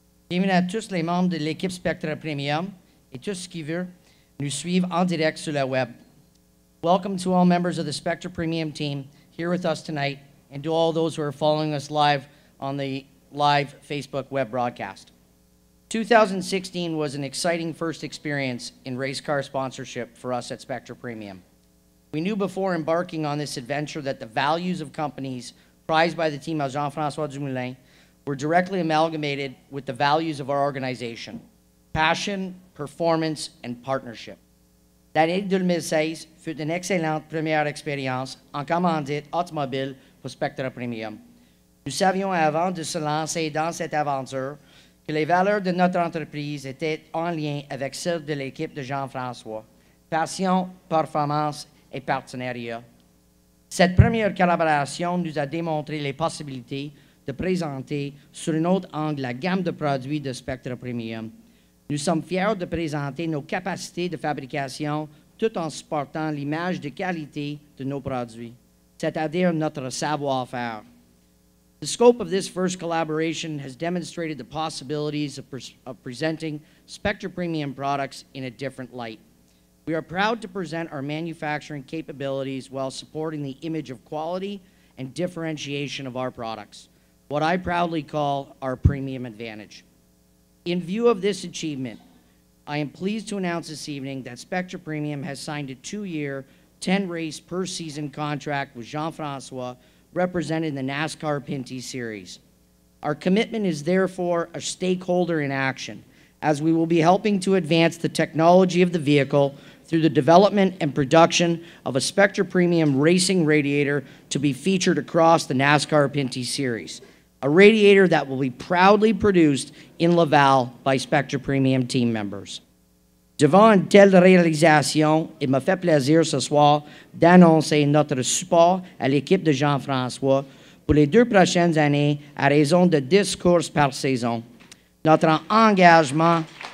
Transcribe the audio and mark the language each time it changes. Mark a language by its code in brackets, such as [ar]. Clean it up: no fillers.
[fr] Bienvenue à tous les membres de l'équipe Spectra Premium et tous ceux qui veulent nous suivre en direct sur le web. [en] Welcome to all members of the Spectra Premium team here with us tonight and to all those who are following us live on the live Facebook web broadcast. 2016 was an exciting first experience in race car sponsorship for us at Spectra Premium. We knew before embarking on this adventure that the values of companies prized by the team of Jean-François Dumoulin were directly amalgamated with the values of our organization: passion, performance, and partnership. [fr] L'année 2016 fut une excellente première expérience en commandite automobile pour Spectra Premium. Nous savions avant de se lancer dans cette aventure que les valeurs de notre entreprise étaient en lien avec celles de l'équipe de Jean-François: passion, performance et partenariat. Cette première collaboration nous a démontré les possibilités de présenter sur un autre angle la gamme de produits de Spectra Premium. Nous sommes fiers de présenter nos capacités de fabrication tout en supportant l'image de qualité de nos produits, c'est-à-dire notre savoir-faire. [en] The scope of this first collaboration has demonstrated the possibilities of presenting Spectra Premium products in a different light. We are proud to present our manufacturing capabilities while supporting the image of quality and differentiation of our products, what I proudly call our premium advantage. In view of this achievement, I am pleased to announce this evening that Spectra Premium has signed a 2-year, 10-race per season contract with Jean-François, representing the NASCAR Pinty Series. Our commitment is therefore a stakeholder in action, as we will be helping to advance the technology of the vehicle through the development and production of a Spectra Premium racing radiator to be featured across the NASCAR Pinty Series, a radiator that will be proudly produced in Laval by Spectra Premium team members. [fr] Devant une telle réalisation, il me fait plaisir ce soir d'annoncer notre support à l'équipe de Jean-François pour les deux prochaines années à raison de 10 courses par saison. Notre engagement...